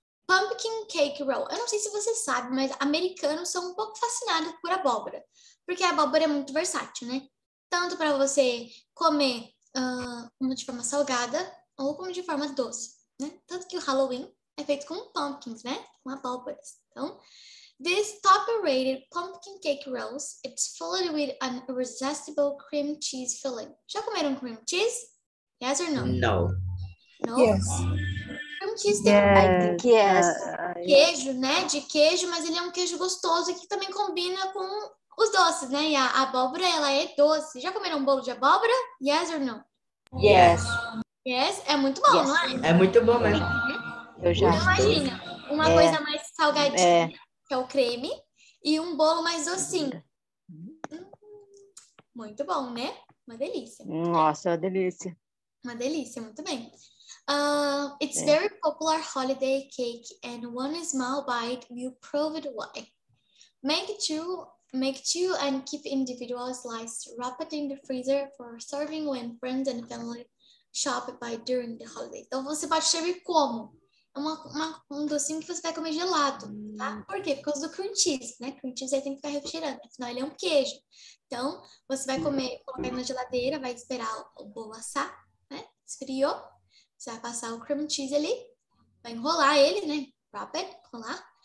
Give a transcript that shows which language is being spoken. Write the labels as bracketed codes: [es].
[en] Pumpkin cake roll. [pt] Eu não sei se você sabe, mas americanos são um pouco fascinados por abóbora. Porque a abóbora é muito versátil, né? Tanto para você comer de forma salgada ou como de forma doce, né? Tanto que o Halloween é feito com pumpkins, né? Com abóboras. [en] Então, this top-rated pumpkin cake rolls, it's filled with an irresistible cream cheese filling. [pt] Já comeram cream cheese? [en] Yes or no? No. No? Yes. [pt] Cream cheese tem queijo, né? De queijo, mas ele é um queijo gostoso que também combina com os doces, né? E a abóbora, ela é doce. Já comeram um bolo de abóbora? [en] Yes or no? [pt] Yes. [en] Yes? [pt] É muito bom, yes. Não é? É muito bom mesmo. Eu já então, imagina, uma coisa mais salgadinha, que é o creme, e um bolo mais docinho. Muito bom, né? Uma delícia. Nossa, uma delícia. Uma delícia, muito bem. [en] It's very popular holiday cake, and one small bite will prove it why. Make two and keep individual slices, wrap it in the freezer for serving when friends and family shop by during the holiday. [pt] Então, você pode servir como? Um docinho que você vai comer gelado, tá? Por quê? Por causa do cream cheese, né? Cream cheese aí tem que ficar refrigerando, afinal ele é um queijo. Então, você vai comer, colocar na geladeira, vai esperar o bolo assar, né? Esfriou, você vai passar o cream cheese ali, vai enrolar ele, né? [en] Wrap it, [pt] enrolar.